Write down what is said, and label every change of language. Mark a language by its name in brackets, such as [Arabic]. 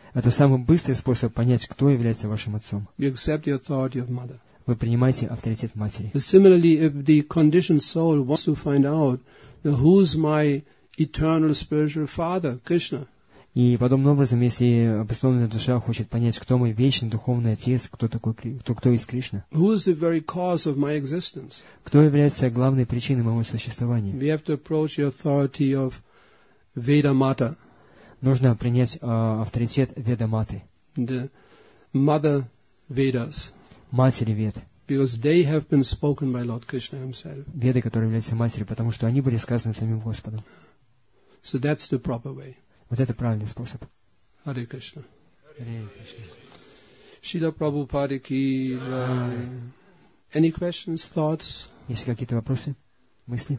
[Russian] Это самый быстрый способ понять, кто является вашим отцом. [English] You accept the authority of mother. [Russian] Вы принимаете авторитет матери. [English] Similarly, if the conditioned soul wants to find out who's my eternal spiritual father, Krishna. [Russian] И подобным образом, если обусловленная душа хочет понять, кто мой вечный духовный отец, кто такой, кто есть Кришна. [English] Who is the very cause of my existence? [Russian] Кто является главной причиной моего существования? [English] We have to approach the authority of Veda Mata. [Russian] Нужно принять авторитет Веда Маты. [English] The Mother Vedas. [Russian] Матери Вед. [English] Because they have been spoken by Lord Krishna himself. [Russian] Веды, которые являются матерью, потому что они были сказаны самим Господом. [English] So that's the proper way. [Russian] Вот это правильный способ. [Sanskrit] Hare Krishna. Hare Krishna. [English] Srila Prabhupada ki jai. Any questions, thoughts? [Russian] Есть какие-то вопросы, мысли?